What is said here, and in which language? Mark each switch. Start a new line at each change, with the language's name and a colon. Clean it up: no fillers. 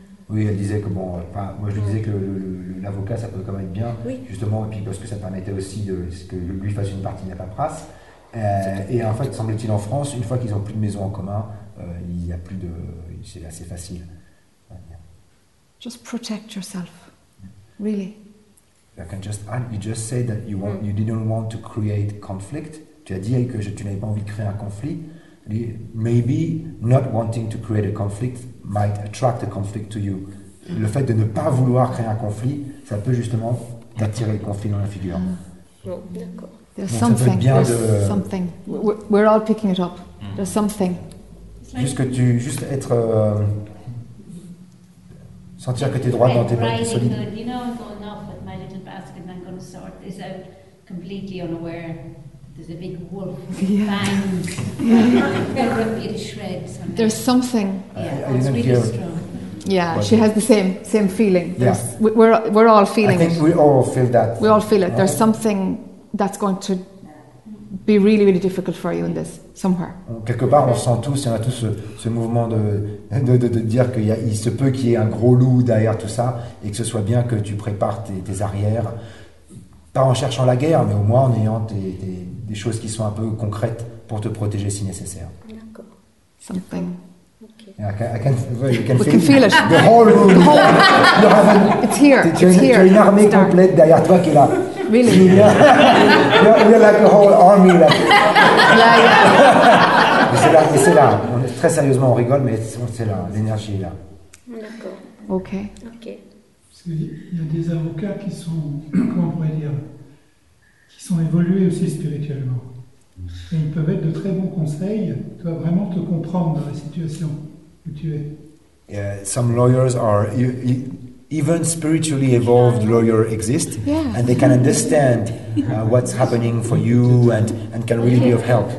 French: Oui, elle disait que bon, enfin, moi je lui disais que l'avocat ça peut quand même être bien, oui. Justement, et puis parce que ça permettait aussi de que lui fasse une partie de la paperasse. Et en fait, semble-t-il en France, une fois qu'ils ont plus de maison en commun, il y a plus de, c'est assez facile.
English: Just protect yourself, really. I can just add, you just said that you didn't want to create conflict.
French: Tu as dit que tu n'avais pas envie de créer un conflit.
English: Maybe not wanting to create a conflict might attract a conflict to you.
French: Le fait de ne pas vouloir créer un conflit, ça peut justement attirer le conflit dans la figure.
English: There's something. We're all picking it up. There's something.
French: Juste être sentir que t'es droit dans tes mains, t'es solide.
English: You know, going off with my little basket and I'm going to sort this out completely unaware. There's a big wolf. Yeah. Bang. There's something. Yeah, it's really strong. Yeah, she has the same feeling. Yes. Yeah. We're all feeling it. I think we all feel that. We all feel it. There's something that's going to be really, really difficult for you in this somewhere.
French: Quelque part, on sent tous, on a tous ce mouvement de dire qu'il se peut qu'il y ait un gros loup derrière tout ça et que ce soit bien que tu prépares tes arrières. Pas en cherchant la guerre, mais au moins en ayant des choses qui sont un peu concrètes pour te protéger si nécessaire. D'accord.
English: Something. Okay. We can feel it. The whole room. It's here.
French: Tu as une armée complète derrière toi qui est là.
English: Really? You're like a whole army. Yeah.
French: C'est là. On est, très sérieusement, on rigole, mais c'est là. L'énergie est là. D'accord. Ok. Parce qu'il y a des avocats qui sont, comment on pourrait dire, qui sont évolués aussi spirituellement. Et ils peuvent être de très bons conseils, tu dois vraiment te comprendre dans la situation où tu es.
English: Some lawyers are, even spiritually evolved lawyers exist, yeah. And they can understand what's happening for you and can really be of help.